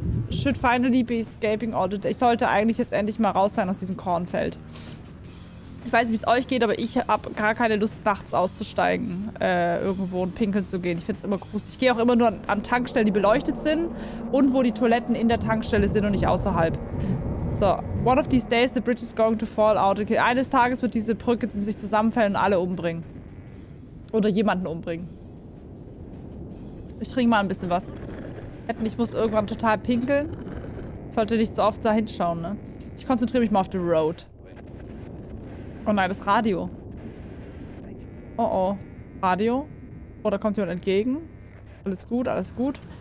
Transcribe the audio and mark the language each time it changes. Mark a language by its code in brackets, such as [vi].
[en] Should finally be escaping audit. [de] Ich sollte eigentlich jetzt endlich mal raus sein aus diesem Kornfeld. Ich weiß nicht, wie es euch geht, aber ich habe gar keine Lust, nachts auszusteigen. Irgendwo und pinkeln zu gehen. Ich finde es immer gruselig. Ich gehe auch immer nur an Tankstellen, die beleuchtet sind. Und wo die Toiletten in der Tankstelle sind und nicht außerhalb. [en] So, one of these days the bridge is going to fall out. [de] Okay, eines Tages wird diese Brücke in sich zusammenfallen und alle umbringen. Oder jemanden umbringen. Ich trinke mal ein bisschen was. Ich muss irgendwann total pinkeln. Sollte nicht so oft da hinschauen, ne? Ich konzentriere mich mal auf die Road. Oh nein, das Radio. Oh oh. Radio? Oh, da kommt jemand entgegen. Alles gut, alles gut.